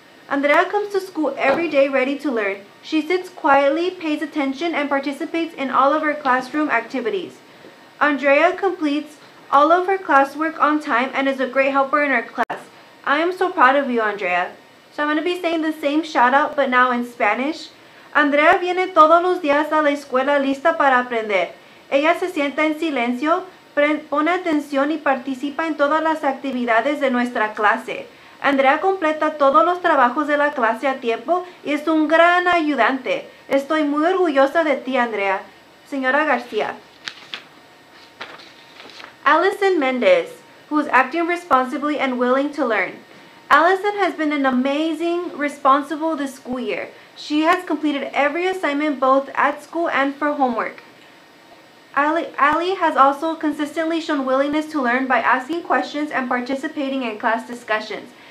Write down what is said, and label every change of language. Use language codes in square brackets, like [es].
[en] Andrea comes to school every day ready to learn. She sits quietly, pays attention, and participates in all of her classroom activities. Andrea completes all of her classwork on time and is a great helper in her class. I am so proud of you, Andrea. So I'm going to be saying the same shout out, but now in Spanish. [es] Andrea viene todos los días a la escuela lista para aprender. Ella se sienta en silencio, pone atención y participa en todas las actividades de nuestra clase. Andrea completa todos los trabajos de la clase a tiempo y es un gran ayudante. Estoy muy orgullosa de ti, Andrea. Señora García. [en] Allison Mendez, who is acting responsibly and willing to learn. Allison has been an amazing responsible this school year. She has completed every assignment both at school and for homework. Ali has also consistently shown willingness to learn by asking questions and participating in class discussions.